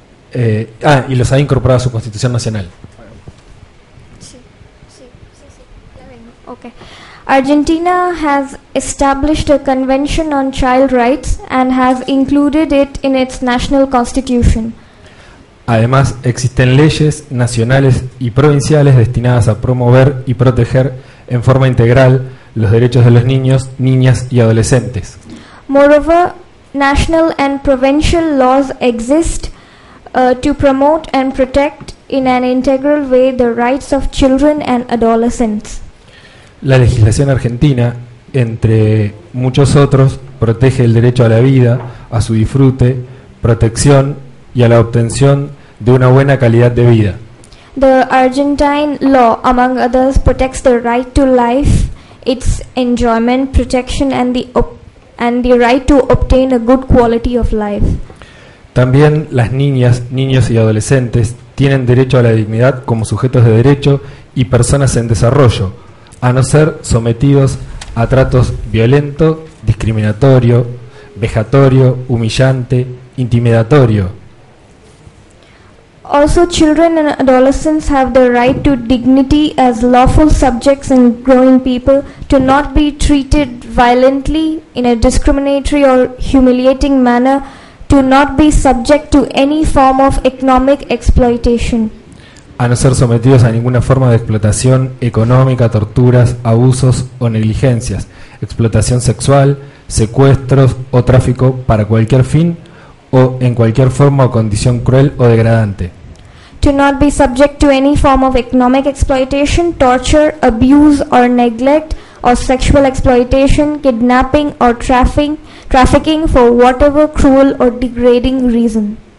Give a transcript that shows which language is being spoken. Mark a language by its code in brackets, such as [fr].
[en] Argentina has established a convention on child rights and has included it in its national constitution. [es] Además, existen leyes nacionales y provinciales destinadas a promover y proteger en forma integral los derechos de los niños, niñas y adolescentes. [en] Moreover, national and provincial laws exist to promote and protect in an integral way the rights of children and adolescents. [es] La legislación argentina, entre muchos otros, protege el derecho a la vida, a su disfrute, protección y a la obtención de una buena calidad de vida. [en] The Argentine law, among others, protects the right to life, its enjoyment, protection and the right to obtain a good quality of life. [es] También las niñas, niños y adolescentes tienen derecho a la dignidad como sujetos de derecho y personas en desarrollo, a no ser sometidos a tratos violento, discriminatorio, vejatorio, humillante, intimidatorio. [en] Also, children and adolescents have the right to dignity as lawful subjects and growing people, to not be treated violently in a discriminatory or humiliating manner, to not be subject to any form of economic exploitation. [es] A no ser sometidos a ninguna forma de explotación económica, torturas, abusos o negligencias, explotación sexual, secuestros o tráfico para cualquier fin o en cualquier forma o condición cruel o degradante. [en] To not be subject to any form of economic exploitation, torture, abuse or neglect or sexual exploitation, kidnapping or trafficking for whatever cruel or degrading reason.